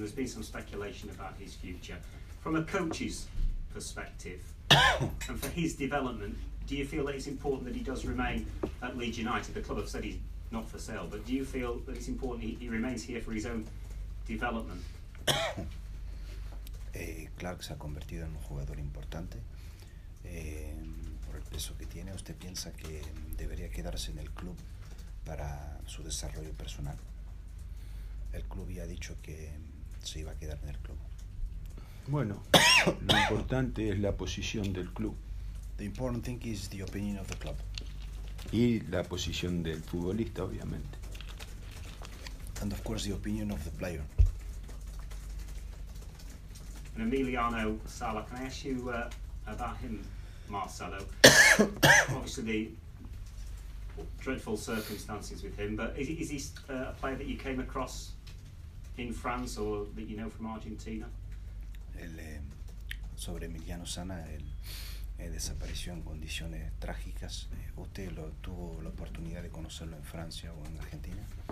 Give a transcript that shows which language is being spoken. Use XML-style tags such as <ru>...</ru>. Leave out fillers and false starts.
<en>There's been some speculation about his future. From a coach's perspective and for his development, do you feel that it's important that he does remain at Leeds United? The club have said he's not for sale, but do you feel that it's important he remains here for his own development?</en> <es>Clark se ha convertido en un jugador importante por el peso que tiene. ¿Usted piensa que debería quedarse en el club para su desarrollo personal? El club ya ha dicho que se iba a quedar en el club. Bueno, lo importante es la posición del club.</es> <en>The important thing is the opinion of the club.</en> <es>Y la posición del futbolista, obviamente.</es> <en>And of course the opinion of the player. And Emiliano Sala, can I ask you about him, Marcelo? Obviously the dreadful circumstances with him, but is he a player that you came across in France or that you know from Argentina?</en> <es>El, sobre Emiliano Sala, él desapareció en condiciones trágicas. ¿Usted lo tuvo la oportunidad de conocerlo en Francia o en Argentina?</es>